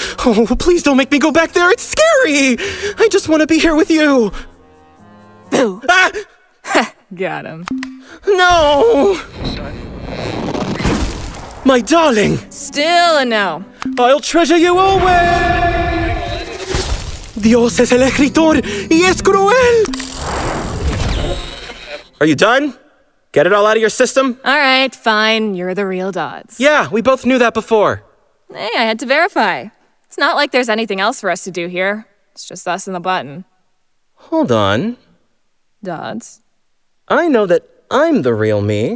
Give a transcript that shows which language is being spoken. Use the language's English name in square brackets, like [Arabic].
[English] Oh, please don't make me go back there, it's scary! I just want to be here with you! Boo! Got him. No! My darling! Still a no. I'll treasure you always! [Spanish] Dios es el escritor y es cruel! [English] Are you done? Get it all out of your system? All right, fine. You're the real Dodds. Yeah, we both knew that before. Hey, I had to verify. It's not like there's anything else for us to do here. It's just us and the button. Hold on. Dodds? I know that I'm the real me.